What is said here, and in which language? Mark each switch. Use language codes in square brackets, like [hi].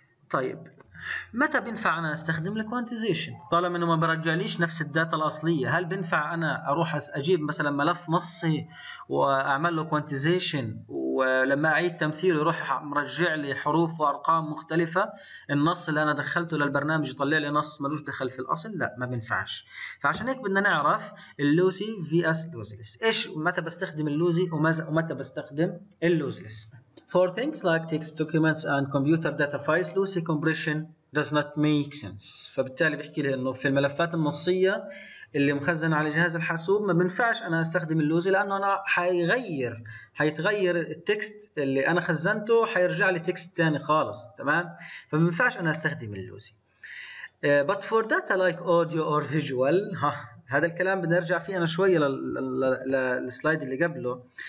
[ar] طيب متى بينفع انا استخدم الكوانتيزيشن طالما انه ما برجعليش نفس الداتا الاصليه؟ هل بينفع انا اروح اجيب مثلا ملف نصي واعمل له كوانتيزيشن ولما اعيد تمثيله يروح مرجع لي حروف وارقام مختلفه؟ النص اللي انا دخلته للبرنامج يطلع لي نص ملوش دخل في الاصل؟ لا ما بينفعش. فعشان هيك بدنا نعرف اللوسي في اس لوزلس، ايش متى بستخدم اللوزي ومتى بستخدم اللوزلس. [en] For things like text documents and computer data files, lossy compression does not make sense. [ar] فبالتالي بحكي لي انه في الملفات النصية اللي مخزنة على جهاز الحاسوب ما بنفعش انا استخدم اللوزي، لانه انا حيتغير التكست اللي انا خزنته حيرجع لي تكست تاني خالص تمام، فما بنفعش انا استخدم اللوزي. [en] But for data like audio or visual، [ar] هذا الكلام بنرجع فيه انا شويه للسلايد اللي قبله.